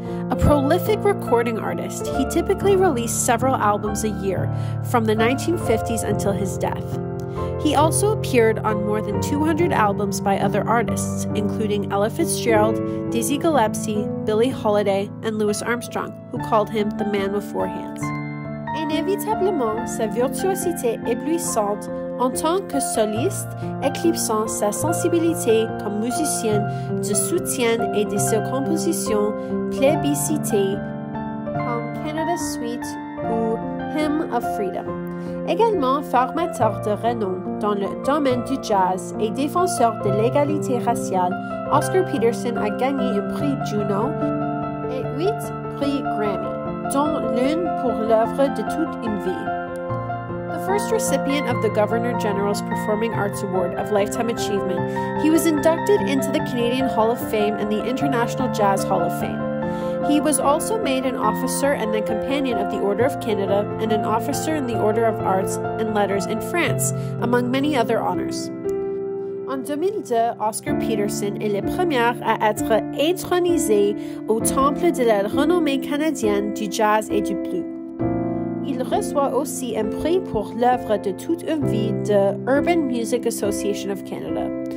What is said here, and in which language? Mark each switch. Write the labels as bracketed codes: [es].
[en] A prolific recording artist, he typically released several albums a year from the 1950s until his death. He also appeared on more than 200 albums by other artists, including Ella Fitzgerald, Dizzy Gillespie, Billie Holiday, and Louis Armstrong, who called him the man with four hands. [fr] Inévitablement, sa virtuosité éblouissante en tant que soliste éclipsant sa sensibilité comme musicien de soutien et de sa composition plébiscité comme Canada's Suite ou Hymn of Freedom. Également formateur de renom dans le domaine du jazz et défenseur de l'égalité raciale, Oscar Peterson a gagné un prix Juno et 8 prix Grammy, dont l'une pour l'œuvre de toute une vie. [en] The first recipient of the Governor General's Performing Arts Award of Lifetime Achievement, he was inducted into the Canadian Hall of Fame and the International Jazz Hall of Fame. He was also made an officer and then companion of the Order of Canada and an officer in the Order of Arts and Letters in France, among many other honors. [fr] En 2002, Oscar Peterson est le premier à être intronisé au Temple de la renommée canadienne du jazz et du blues. Il reçoit aussi un prix pour l'œuvre de toute une vie de Urban Music Association of Canada.